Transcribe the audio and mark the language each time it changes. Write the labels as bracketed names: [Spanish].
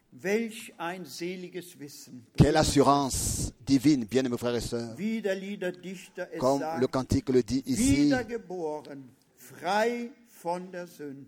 [German] Welch ein seliges Wissen. [French] Quelle assurance divine, bien-aimés frères et sœurs. [German] Wie der Liederdichter es [French] comme [German] sagt, [French] le cantique le dit ici. [German] Wiedergeboren, frei von der Sünde.